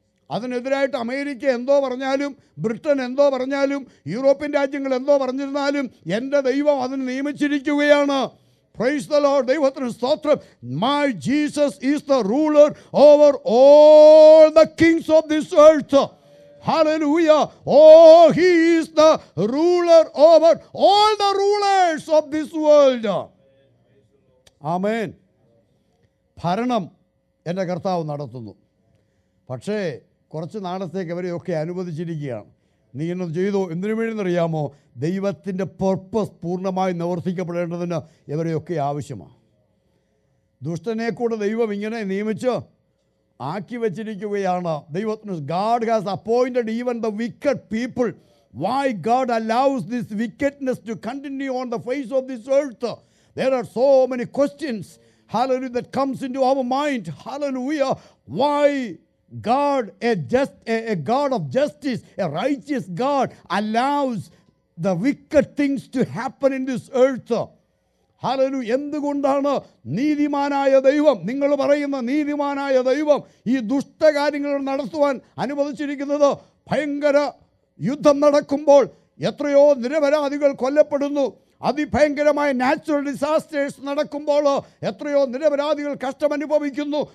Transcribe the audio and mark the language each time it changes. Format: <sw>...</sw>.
<ml>അതിനെതിരായിട്ട് America എന്തോ പറഞ്ഞാലും, Britain എന്തോ പറഞ്ഞാലും, യൂറോപ്യൻ രാജ്യങ്ങൾ എന്തോ പറഞ്ഞിരുന്നാലും എൻ്റെ ദൈവം അതിന് നിയമിച്ചിരിക്കുകയാണ്.</ml> <en>Praise the lord.</en> <ml>ദൈവത്തിന് സ്തോത്രം.</ml> <en>My Jesus is the ruler over all the kings of this earth. Hallelujah. Oh, he is the ruler over all the rulers of this world.</en> <ml>Amen. ഭരണം എൻ്റെ കർത്താവ് നടത്തുന്നു. പക്ഷേ കുറച്ച് നാളത്തേക്ക് അവരെയൊക്കെ അനുവദിച്ചിരിക്കുകയാണ്. നീ എന്നത് ചെയ്തു എന്തിനു വേണ്ടിയെന്നറിയാമോ? ദൈവത്തിൻ്റെ പർപ്പസ് പൂർണ്ണമായി നിവർത്തിക്കപ്പെടേണ്ടതിന് ഇവരെയൊക്കെ ആവശ്യമാണ്. ദുഷ്ടനെ കൂടെ ദൈവം ഇങ്ങനെ നിയമിച്ച് ആക്കി വച്ചിരിക്കുകയാണ്.</ml> <en>ദൈവത്തിന്, God has appointed even the wicked people. Why God allows this wickedness to continue on the face of this earth? There are so many questions, hallelujah, that comes into our mind. Hallelujah. Why God, a God of justice, a righteous God, allows the wicked things to happen in this earth. Hallelujah.</en> <ml>എന്തുകൊണ്ടാണ് നീതിമാനായ ദൈവം, നിങ്ങൾ പറയുന്ന നീതിമാനായ ദൈവം, ഈ ദുഷ്ടകാര്യങ്ങൾ നടത്തുവാൻ അനുവദിച്ചിരിക്കുന്നത്? ഭയങ്കര യുദ്ധം നടക്കുമ്പോൾ എത്രയോ നിരപരാധികൾ കൊല്ലപ്പെടുന്നു. അതിഭയങ്കരമായ നാച്ചുറൽ ഡിസാസ്റ്റേഴ്സ് നടക്കുമ്പോൾ എത്രയോ നിരപരാധികൾ കഷ്ടമനുഭവിക്കുന്നു.</ml>